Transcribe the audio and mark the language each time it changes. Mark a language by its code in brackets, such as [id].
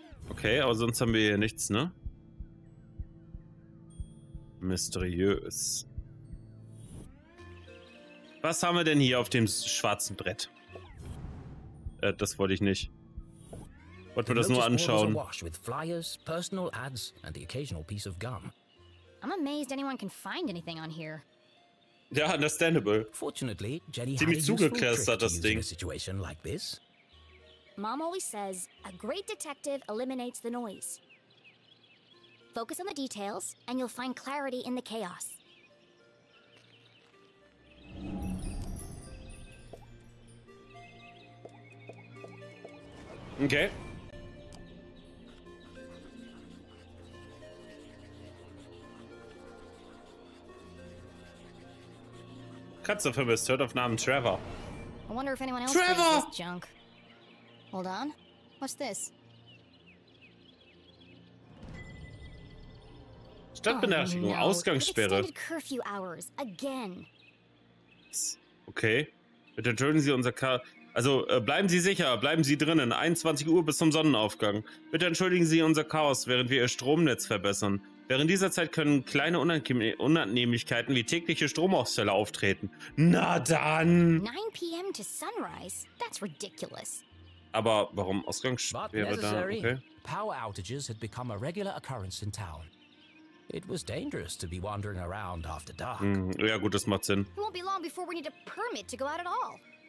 [de] Okay, aber sonst haben wir hier nichts, ne? Mysteriös. Was haben wir denn hier auf dem schwarzen Brett? Das wollte ich nicht. Wollte mir das nur anschauen. [en] With flyers, personal ads and the occasional piece of gum. I'm amazed anyone can find anything on here. [de] Ja, [en] understandable. Fortunately, Jenny [de] ziemlich zugeklärt das Ding. [en] Like this. Mom always says a great detective eliminates the noise. Focus on the details and you'll find clarity in the chaos. Okay. [de] Katze vermisst, hört auf Namen Trevor. [en] I wonder if anyone else Trevor! Finds this junk. Hold on. What's this? [de] Stadtbenachrichtigung, [en] oh, no. [de] Ausgangssperre. [en] Extended curfew hours again. Okay. [de] Bitte entschuldigen Sie unser Car. Also, bleiben Sie sicher, bleiben Sie drinnen. 21 Uhr bis zum Sonnenaufgang. Bitte entschuldigen Sie unser Chaos, während wir Ihr Stromnetz verbessern. Während dieser Zeit können kleine Unannehmlichkeiten wie tägliche Stromausfälle auftreten. Na dann! [en] 9 p.m. to sunrise? That's ridiculous. [de] Aber warum Ausgangssperre da? Okay. [en] Power outages had become a regular occurrence in town. It was dangerous to be wandering around after dark. [de] Ja gut, das macht Sinn. [en] It won't be long before we need a permit to go out at all.